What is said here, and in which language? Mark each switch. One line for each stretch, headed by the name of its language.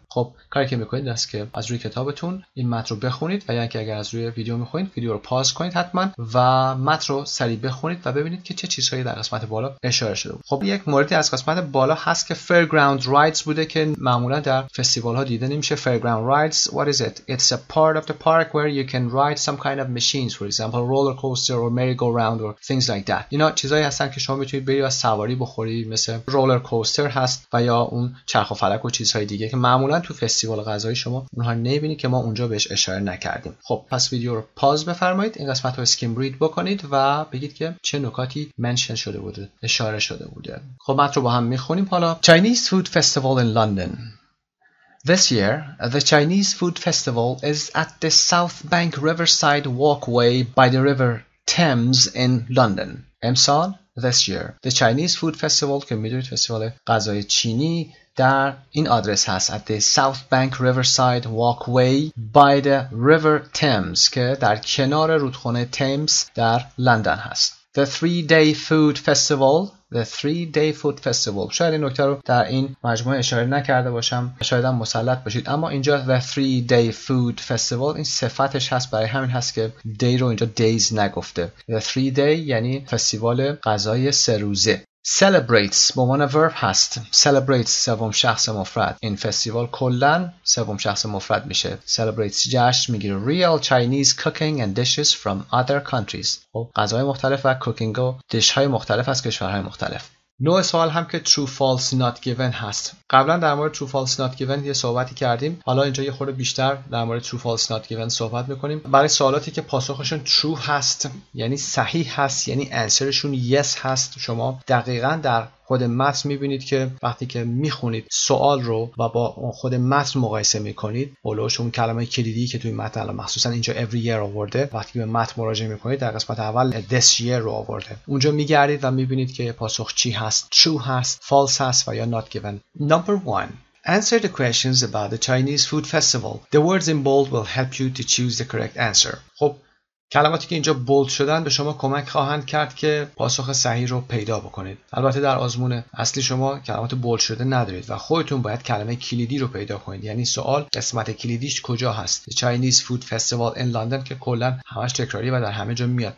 Persian: خب کاری که میکنید است که از روی کتابتون این متن رو بخونید و یعنی اگر از روی ویدیو میخونید ویدیو رو پاز کنید حتما و متن رو سریع بخونید و ببینید که چه چیزهایی در قسمت بالا اشاره شده. خب یک موردی از قسمت بالا هست که fairground rides بوده که معمولا در فستیوال ها دیده نمیشه.
English: Fairground rides, what is it? It's a part of the park where you can ride some kind of machines, for example roller coaster or merry-go-round or things like that.
Persian: اینا چیزایی هستن که شما میتونید بری و سواری بخوری، مثل roller coaster هست و یا چرخ و فلک و چیزهای دیگه که معمولا تو فستیوال غذای شما اونها نمی‌بینید که ما اونجا بهش اشاره نکردیم. خب پس ویدیو رو پاز بفرمایید، این قسمت رو اسکیم رید بکنید و بگید که چه نکاتی منشن شده بوده، اشاره شده بوده. خب متن رو با هم می‌خونیم حالا.
English: Chinese food festival in London. This year, the Chinese food festival is at the South Bank Riverside Walkway by the River Thames in London.
Persian: امسال
English: This year, the Chinese food festival,
Persian: که میدونید فستیوال غذای چینی در این آدرس هست
English: at the South Bank Riverside Walkway by the River Thames
Persian: که در کنار رودخانه تیمز در لندن هست.
English: The three day food festival.
Persian: شاید این نکته رو در این مجموعه اشاره نکرده باشم، شاید هم مسلط باشید، اما اینجا
English: the three day food festival
Persian: این صفتش هست، برای همین هست که day رو اینجا days نگفته.
English: The three day
Persian: یعنی فستیوال غذای سه روزه. celebrates به عنوان verb هست. celebrates سوم شخص مفرد. این فستیوال کلن سوم شخص مفرد میشه. celebrates جشن میگیره.
English: real Chinese cooking and dishes from other countries.
Persian: خب غذاهای مختلف و cooking و dishهای مختلف از کشورهای مختلف. نوع سوال هم که true false not given هست. قبلا در مورد true false not given یه صحبتی کردیم. حالا اینجا یه خورده بیشتر در مورد true false not given صحبت میکنیم. برای سوالاتی که پاسخشون true هست، یعنی صحیح هست، یعنی answerشون yes هست، شما دقیقاً در خود متن میبینید که وقتی که میخونید سوال رو و با خود متن مقایسه میکنید، بلوش اون کلمه کلیدی که توی متن الان مخصوصا اینجا every year آورده، وقتی به متن مراجعه میکنید در قسمت اول this year رو آورده، اونجا میگردید و میبینید که پاسخ چی هست، true هست، false هست و یا not given.
English: Number one, answer the questions about the Chinese food festival. The words in bold will help you to choose the correct answer.
Persian: خب کلماتی که اینجا بولد شدن به شما کمک خواهند کرد که پاسخ صحیح رو پیدا بکنید. البته در آزمون اصلی شما کلمات بولد شده ندارید و خودتون باید کلمه کلیدی رو پیدا کنید. یعنی سوال قسمت کلیدیش کجا هست؟ The Chinese Food Festival in London که کلن همش تکراری و در همه جا میاد.